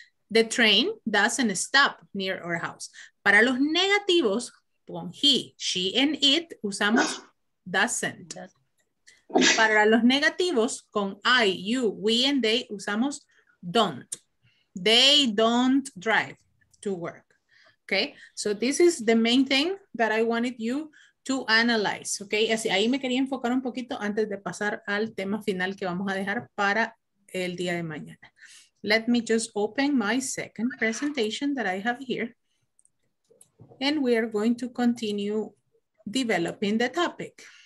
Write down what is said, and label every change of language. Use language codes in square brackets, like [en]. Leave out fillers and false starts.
[en] The train doesn't stop near our house. [es] Para los negativos, con he, she, and it, usamos doesn't. Para los negativos, con I, you, we, and they, usamos don't. [en] They don't drive to work. Okay, so this is the main thing that I wanted you to analyze. [es] Okay, así ahí me quería enfocar un poquito antes de pasar al tema final que vamos a dejar para el día de mañana. [en] Let me just open my second presentation that I have here. And we are going to continue developing the topic.